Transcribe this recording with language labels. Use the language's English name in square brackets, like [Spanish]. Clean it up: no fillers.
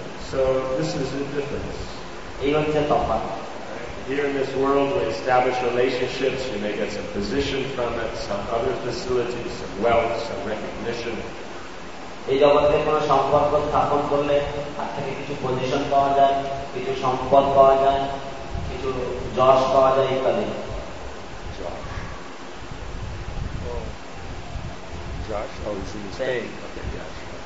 [English] So this is the difference. [Bangla] এই হচ্ছে তফাৎ. [English] Here in this world we establish relationships, you may get some position from it, some other facilities, some wealth, some recognition. [Bangla] এই জগতে কোন সম্পর্ক স্থাপন করলে তার থেকে কিছু পজিশন পাওয়া যায়, কিছু সম্পদ পাওয়া যায়, কিছু যশ পাওয়া যায় ইত্যাদি. [English] Josh, oh, he's in the Okay, Josh.